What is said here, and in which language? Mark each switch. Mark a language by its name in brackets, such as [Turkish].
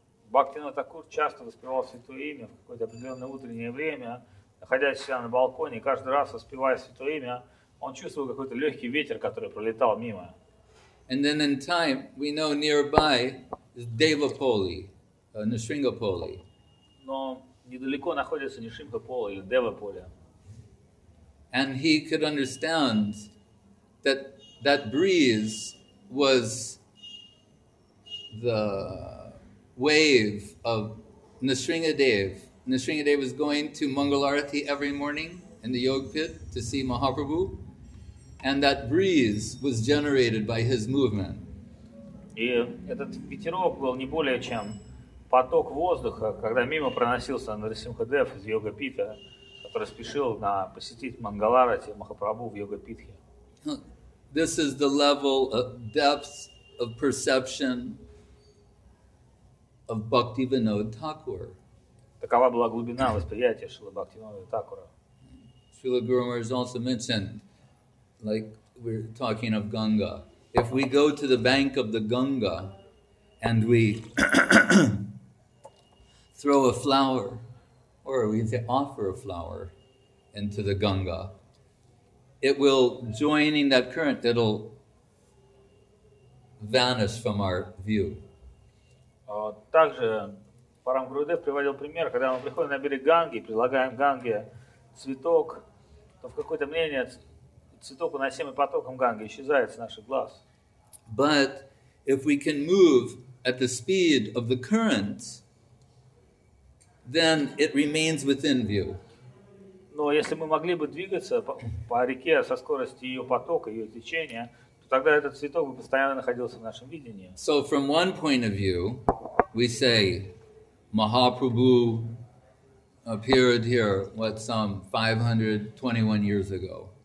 [Russian] Бхактинода Такур часто воспевал святое имя в какое-то определенное утреннее время, находясь себя на балконе, каждый раз воспевая святое имя, он чувствовал какой-то легкий ветер, который пролетал мимо. [English] And then in time, we know nearby is Devapoli, Nisringapoli. [Russian] Но недалеко находится Нисрингапола или Девапола. [English] And he could understand that that breeze was the wave of Nisringadev. Nisringadev was going to Mangal Arati every morning in the yoga pit to see Mahaprabhu. And that breeze was generated by his movement. [Russian] И этот ветерок был не более чем поток воздуха, когда мимо проносился Нарасимхадев из йога-питха, который спешил на посетить Мангаларати Махапрабху в йога-питхе. [English] This is the level of depth of perception of Bhaktivinoda Thakur. [Russian] Такова была глубина восприятия Шрилы Бхактивинода Такура. [English] Srila Guru Maharaj has also mentioned, like we're talking of Ganga, if we go to the bank of the Ganga and we throw a flower, or we can say offer a flower into the Ganga, it will, joining that current, it'll vanish from our view. [Russian] Также Парам Гурудев приводил пример, когда мы приходим на берег Ганги, предлагаем Ганге цветок, то в какое-то мнение цветок, уносимый потоком Ганги, исчезает с наших глаз. [English] But if we can move at the speed of the current, then it remains within view. [Russian] Но если мы могли бы двигаться по реке со скоростью ее потока, ее течения, то тогда этот цветок бы постоянно находился в нашем видении. [English] So from one point of view, we say, Mahaprabhu appeared here, what, some 521 years ago.